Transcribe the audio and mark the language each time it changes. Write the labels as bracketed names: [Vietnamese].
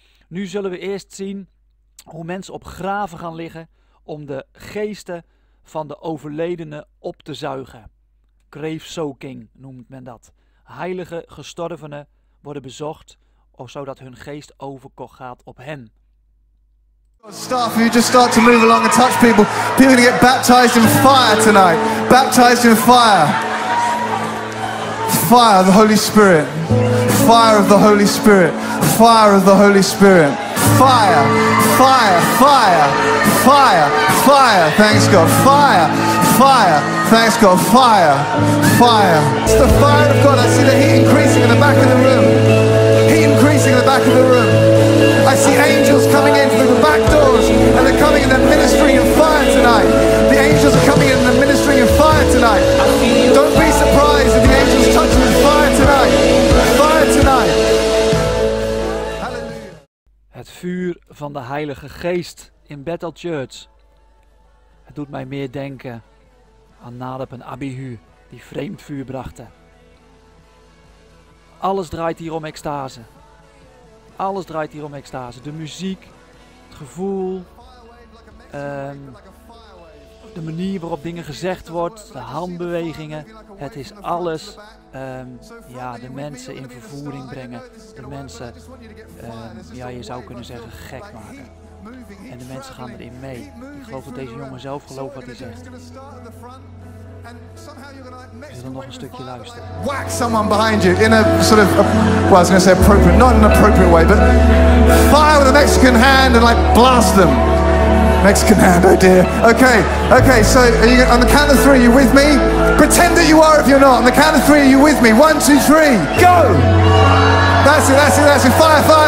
[Dutch] Nu zullen we eerst zien hoe mensen op graven gaan liggen om de geesten van de overledenen op te zuigen. Grave soaking noemt men dat. Heilige gestorvenen worden bezocht, zodat hun geest overgaat op hen. [English] Staff, if you just start to move along and touch people, people are going to get baptized in fire tonight. Baptized in fire. Fire of the Holy Spirit. Fire of the Holy Spirit. Fire of the Holy Spirit. Fire. Fire. Fire. Fire. Fire. Thanks God. Fire. Fire. Thanks God. Fire. Fire. It's the fire of God. I see the heat increasing in the back of the room. Heat increasing in the back of the room. I see angels coming in through the back doors, and they're coming in, they're ministering in fire tonight. The angels are coming in and they're ministering in fire tonight. Don't be surprised if the angels touch you in fire tonight. Fire tonight. Hallelujah. [Dutch] Het vuur van de Heilige Geest in Bethel Church. Het doet mij meer denken aan Nadab en Abihu die vreemd vuur brachten. Alles draait hier om extase. Alles draait hier om extase. De muziek, het gevoel, de manier waarop dingen gezegd wordt, de handbewegingen. Het is alles de mensen in vervoering brengen. De mensen, je zou kunnen zeggen, gek maken. En de mensen gaan erin mee. Ik geloof dat deze jongen zelf gelooft wat hij zegt. We zullen nog een stukje luisteren. [English] Whack someone behind you in a sort of, well, I was going to say appropriate, not in an appropriate way, but fire with a Mexican hand and like blast them. Mexican hand, oh dear. Okay, so are you, on the count of three, are you with me? Pretend that you are if you're not. On the count of three, are you with me? One, two, three, go! That's it. Fire.